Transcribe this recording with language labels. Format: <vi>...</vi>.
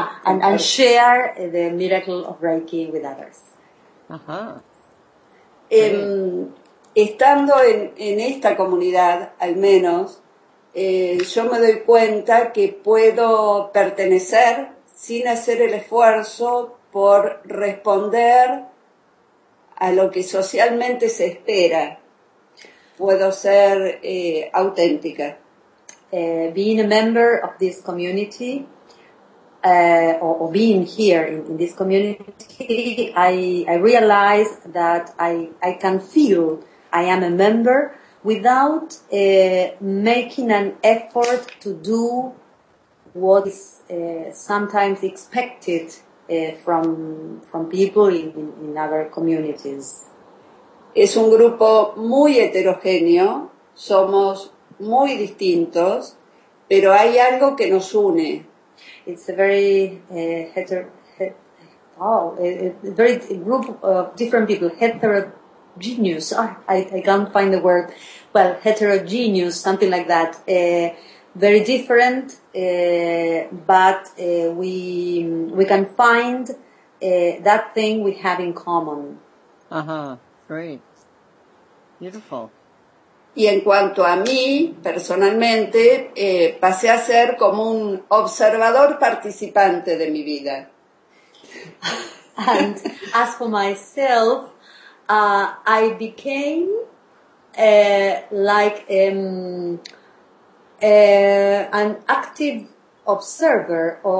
<en>and share the miracle of Reiki with others. Uh-huh.</en> <es>Estando en esta comunidad, al menos, yo me doy cuenta que puedo pertenecer sin hacer el esfuerzo por responder a lo que socialmente se espera. Puedo ser auténtica.</es> <en>Being a member of this community, or being here in this community, I realize that I can feel I am a member without making an effort to do what is sometimes expected from people in other communities.</en> <es>Es un grupo muy heterogéneo, somos muy distintos, pero hay algo que nos une.</es> <en>It's a very very group of different people, heterogeneous, I can't find the word, well, heterogeneous, something like that, very different, but we can find that thing we have in common. Uh-huh, great, beautiful.</en> <es>Y en cuanto a mí, personalmente, pasé a ser como un observador participante de mi vida.</es> <en>And as for myself, I became an active observer.</en>